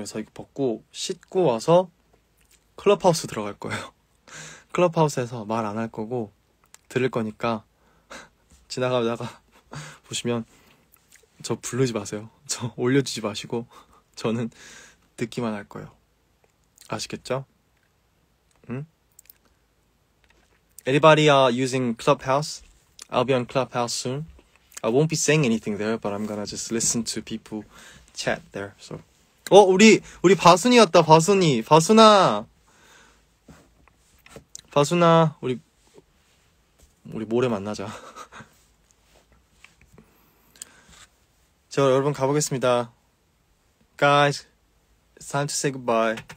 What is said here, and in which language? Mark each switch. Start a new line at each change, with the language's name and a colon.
Korean: 그래서 이거 벗고 씻고 와서 클럽하우스 들어갈 거예요. 클럽하우스에서 말 안 할 거고 들을 거니까 지나가다가 보시면 저 부르지 마세요. 저 올려주지 마시고 저는 듣기만 할 거예요. 아시겠죠? 응?
English: Anybody using Clubhouse? I'll be on Clubhouse soon. I won't be saying anything there, but I'm gonna just listen to people chat there.
Korean: So, 우리 바순이 왔다. 바순이, 바순아, 바순아, 우리 모레 만나자. 자, 여러분 가보겠습니다.
English: Guys, it's time to say goodbye.